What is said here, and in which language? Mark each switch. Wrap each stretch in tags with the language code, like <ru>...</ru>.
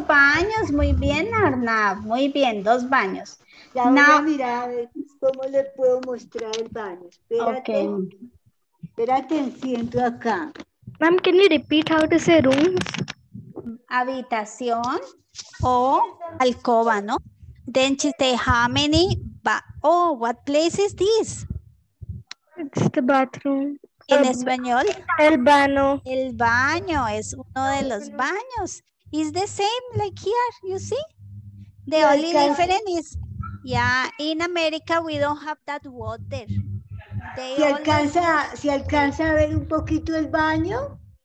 <es>baños, muy bien, Arnav, muy bien, dos baños. Ya voy a mirar cómo le puedo mostrar el baño. Espérate. Okay. Espérate, enciendo acá.</es> <en>Ma'am, can you repeat how to say rooms?</en> <es>Habitación o alcoba, ¿no?</es> <en>Then she say how many, oh, what place is this? It's the bathroom.</en> <es>¿En español? El baño. El baño es uno de los baños.</es> <en>It's the same like here, you see? The only difference is, yeah, in America we don't have that water.</en> <es>¿Si alcanza a ver un poquito el baño?</es>